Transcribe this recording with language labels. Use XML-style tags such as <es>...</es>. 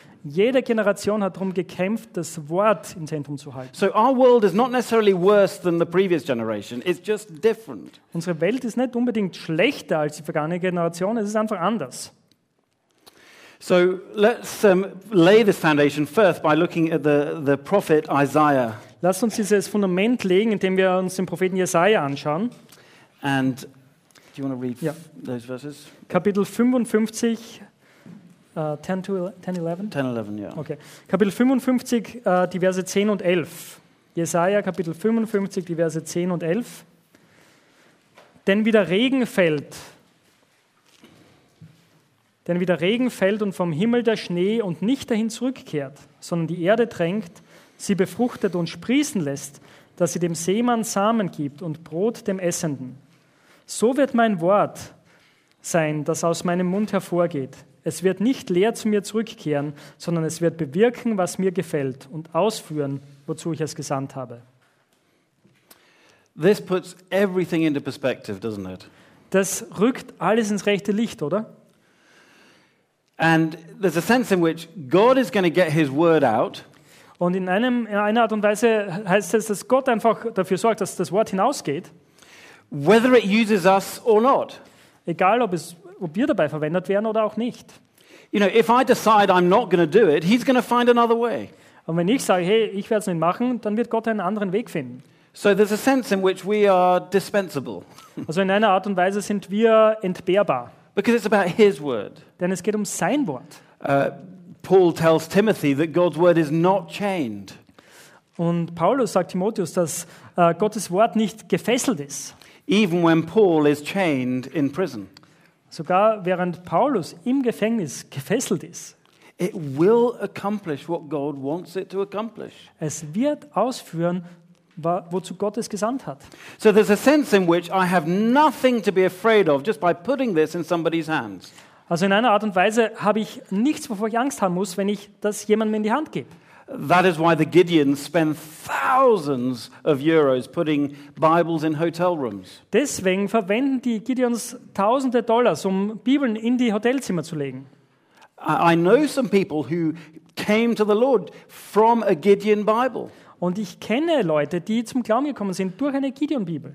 <de>Jede Generation hat darum gekämpft, das Wort im Zentrum zu halten.</de> <en>So our world is not necessarily worse than the previous generation. It's just different.</en> <de>Unsere Welt ist nicht unbedingt schlechter als die vergangene Generation. Es ist einfach anders.</de> <en>So let's lay this foundation first by looking at the prophet Isaiah.</en> <de>Lass uns dieses Fundament legen, indem wir uns den Propheten Jesaja anschauen.</de> <en>And do you want to read those verses?</en> <de>Kapitel 55. 10-11. Okay. Kapitel 55, die Verse 10 und 11. Jesaja, Kapitel 55, die Verse 10 und 11. Denn wie der Regen fällt und vom Himmel der Schnee und nicht dahin zurückkehrt, sondern die Erde tränkt, sie befruchtet und sprießen lässt, dass sie dem Seemann Samen gibt und Brot dem Essenden. So wird mein Wort sein, das aus meinem Mund hervorgeht. Es wird nicht leer zu mir zurückkehren, sondern es wird bewirken, was mir gefällt und ausführen, wozu ich es gesandt habe.</de> <en>This puts everything into perspective, doesn't it?</en> <de>Das rückt alles ins rechte Licht, oder?</de> <en>And there's a sense in which God is going to get his word out.</en> <de>Und in einer Art und Weise heißt es, dass Gott einfach dafür sorgt, dass das Wort hinausgeht.</de> <en>Whether it uses us or not.</en> <de>Egal, ob wir dabei verwendet werden oder auch nicht.</de> <en>You know, if I decide I'm not going to do it, he's going to find another way.</en> <de>Und wenn ich sage, hey, ich werde es nicht machen, dann wird Gott einen anderen Weg finden.</de> <en>So there's a sense in which we are dispensable.</en> <de>Also in einer Art und Weise sind wir entbehrbar.</de> <en>Because it's about his word.</en> <de>Denn es geht um sein Wort.</de> <en>Paul tells Timothy that God's word is not chained.</en> <de>Und Paulus sagt Timotheus, dass Gottes Wort nicht gefesselt ist.</de> <en>Even when Paul is chained in prison.</en> <de>Sogar während Paulus im Gefängnis gefesselt ist.</de> <en>It will accomplish what God wants it to accomplish.</en> <de>Es wird ausführen, wozu Gott es gesandt hat.</de> <en>So there's a sense in which I have nothing to be afraid of just by putting this in somebody's hands.</en> <de>Also in einer Art und Weise habe ich nichts, wovor ich Angst haben muss, wenn ich das jemandem in die Hand gebe.</de> <en>That is why the Gideons spend thousands of euros putting Bibles in hotel rooms.</en> <de>Deswegen verwenden die Gideons tausende Dollars, um Bibeln in die Hotelzimmer zu legen.</de> <en>I know some people who came to the Lord from a Gideon Bible.</en> <de>Und ich kenne Leute, die zum Glauben gekommen sind durch eine Gideon Bibel.</de>